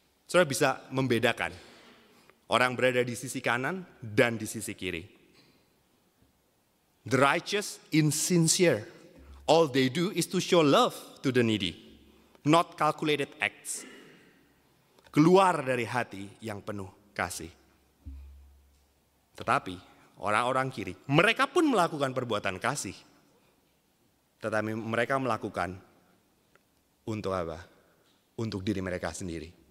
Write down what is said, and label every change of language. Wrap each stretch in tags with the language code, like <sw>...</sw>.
<id>Saudara bisa membedakan orang berada di sisi kanan dan di sisi kiri.</id> <en>The righteous insincere. All they do is to show love to the needy, not calculated acts.</en> <id>Keluar dari hati yang penuh kasih. Tetapi orang-orang kiri, mereka pun melakukan perbuatan kasih. Tetapi mereka melakukan untuk apa? Untuk diri mereka sendiri.</id>